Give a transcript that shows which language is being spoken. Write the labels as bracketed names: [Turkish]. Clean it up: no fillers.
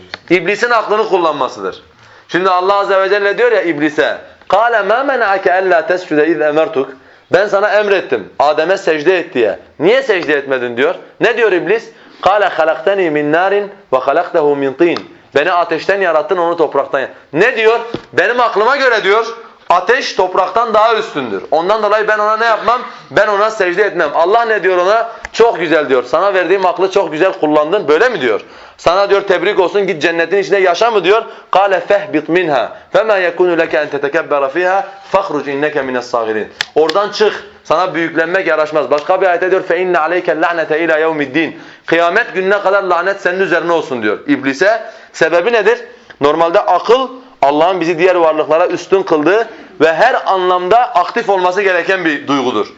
[Turkish] İblisin aklını kullanmasıdır. Şimdi Allah Azze ve Celle diyor ya iblise [Arabic] قَالَ مَا مَنَعَكَ أَلَّا تَسْجُدَ اِذْ اَمَرْتُكَ [Turkish] Ben sana emrettim Adem'e secde et diye. Niye secde etmedin diyor. Ne diyor iblis? [Arabic] قَالَ خَلَقْتَنِي مِنْ نَارٍ وَخَلَقْتَهُ مِنْ طِينٍ [Turkish] Beni ateşten yarattın onu topraktan yarattın. Ne diyor? Benim aklıma göre diyor ateş topraktan daha üstündür. Ondan dolayı ben ona ne yapmam? Ben ona secde etmem. Allah ne diyor ona? Çok güzel diyor. Sana verdiğim aklı çok güzel kullandın. Böyle mi diyor? Sana diyor tebrik olsun git cennetin içinde yaşa mı diyor? [Arabic] قَالَ فَهْبِطْ مِنْهَا فَمَا يَكُنُ لَكَ اَنْ تَتَكَبَّرَ فِيهَا فَخْرُجْ اِنَّكَ مِنَ الصَّاغِرِينَ [Turkish] Oradan çık. Sana büyüklenmek yaraşmaz. Başka bir ayette diyor [Arabic] فَاِنَّ عَلَيْكَ اللَّعْنَةَ اِلَى يَوْمِ الدِّينَ [Turkish] Kıyamet gününe kadar lanet senin üzerine olsun diyor. İblise sebebi nedir? Normalde akıl Allah'ın bizi diğer varlıklara üstün kıldığı ve her anlamda aktif olması gereken bir duygudur.